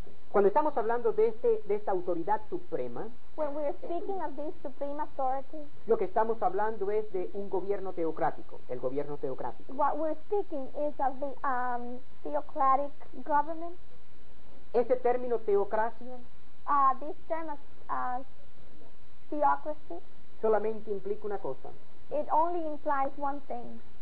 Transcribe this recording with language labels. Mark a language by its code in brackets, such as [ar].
[es] Cuando estamos hablando de esta autoridad suprema, [en] when we are speaking of this supreme authority, [es] lo que estamos hablando es de un gobierno teocrático, el gobierno teocrático. [en] What we're speaking is of the theocratic government. [es] Ese término teocracia. [en] This term of theocracy [es] solamente implica una cosa. [en] It only implies one thing.